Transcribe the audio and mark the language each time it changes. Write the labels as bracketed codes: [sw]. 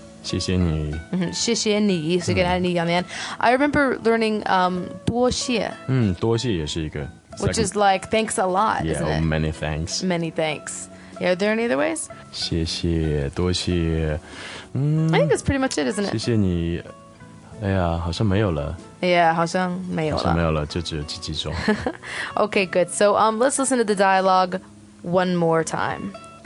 [zh] 谢谢你谢谢你 [en] So you can add 你 on the end. I remember learning 多谢 [zh] 多谢也是一个 [en] Which is like thanks a lot, yeah, isn't it? Yeah, many thanks. Many thanks. Yeah, are there any other ways? [zh] 谢谢多谢 [en] I think that's pretty much it, isn't it? [zh] 谢谢你 哎呀好像没有了好像没有了就只有几种 [en] Okay, good. So let's listen to the dialogue one more time.